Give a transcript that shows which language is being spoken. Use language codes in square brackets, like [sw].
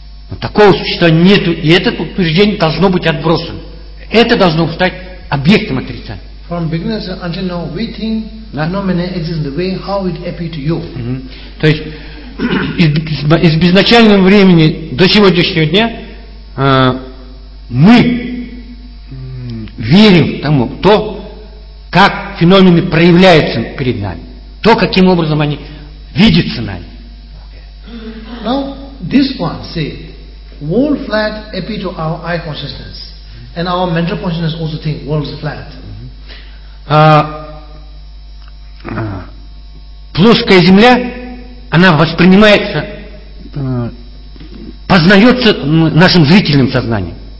[ru] Но такого существования нет, и это утверждение должно быть отбросано. Это должно стать объектом отрицания. [en] From beginners until now, we think phenomena exist the way how it appears to you. Mm-hmm. [ru] То есть из безначального времени до сегодняшнего дня мы верим в тому, то, как феномены проявляются перед нами, то, каким образом они видятся нами. Okay. [en] Now, this one said, world flat appears to our eye consciousness, and our mental consciousness also think world is flat. [ru] Плоская земля, она воспринимается, познается нашим зрительным сознанием.